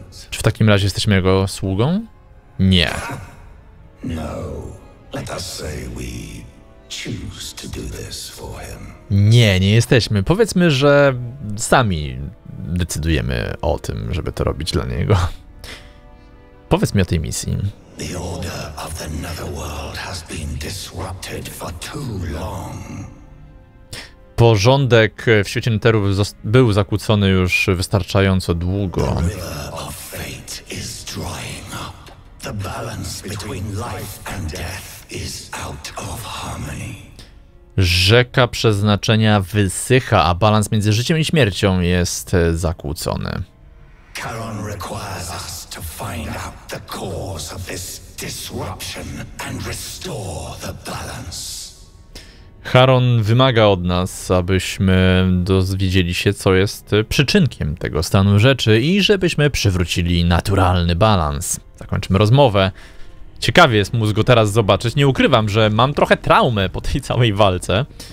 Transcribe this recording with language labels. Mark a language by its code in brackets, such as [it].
[pl] Czy w takim razie jesteśmy jego sługą? Nie. No. [en] Let us say we choose to do this for him. [pl] Nie, nie jesteśmy. Powiedzmy, że sami decydujemy o tym, żeby to robić dla niego. Powiedz mi o tej misji. [en] The order of the Netherworld has been disrupted for too long. [pl] Porządek w świecie Netheru był zakłócony już wystarczająco długo. [en] The river of fate is drying up. The balance between life and death is out of harmony. [pl] Rzeka przeznaczenia wysycha, a balans między życiem i śmiercią jest zakłócony. [en] Charon requires us to find out the cause of this disruption and restore the balance. [pl] Charon wymaga od nas, abyśmy dowiedzieli się, co jest przyczynkiem tego stanu rzeczy i żebyśmy przywrócili naturalny balans. Zakończymy rozmowę. Ciekawie jest móc go teraz zobaczyć. Nie ukrywam, że mam trochę traumę po tej całej walce.